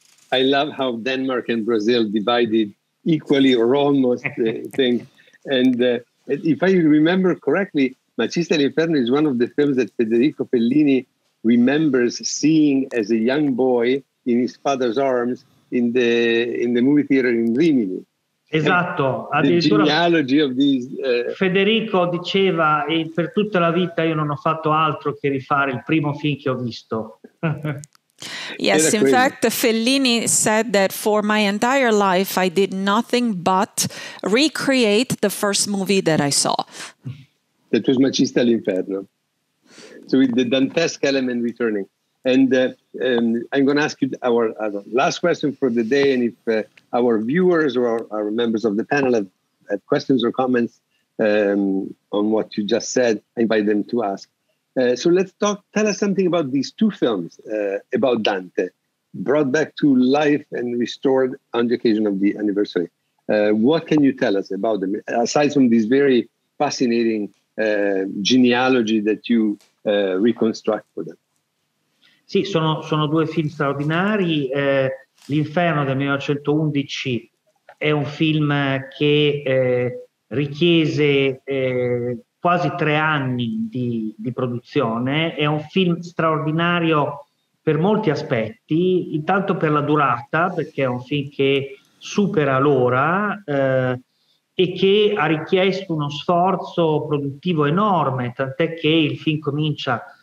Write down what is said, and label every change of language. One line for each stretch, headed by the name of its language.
English: I love how Denmark and Brazil divided equally or almost, thing. And if I remember correctly, Maciste all'Inferno is one of the films that Federico Fellini remembers seeing as a young boy in his father's arms in the movie theater in Rimini.
Italian: Esatto, addirittura
English: the genealogy of these,
Italian: Federico diceva: e per tutta la vita io non ho fatto altro che rifare il primo film che ho visto.
English: Yes, in fact, Fellini said that for my entire life I did nothing but recreate the first movie that I saw. That was Maciste all'Inferno. So with the Dantesque element returning. And I'm going to ask you our last question for the day. And if our viewers or our members of the panel have questions or comments on what you just said, I invite them to ask. So let's talk. Tell us something about these two films about Dante, brought back to life and restored on the occasion of the anniversary. What can you tell us about them, aside from this very fascinating genealogy that you reconstruct for them?
Italian: Sì, sono due film straordinari. L'Inferno del 1911 è un film che richiese quasi 3 anni di produzione. È un film straordinario per molti aspetti, intanto per la durata, perché è un film che supera l'ora e che ha richiesto uno sforzo produttivo enorme, tant'è che il film comincia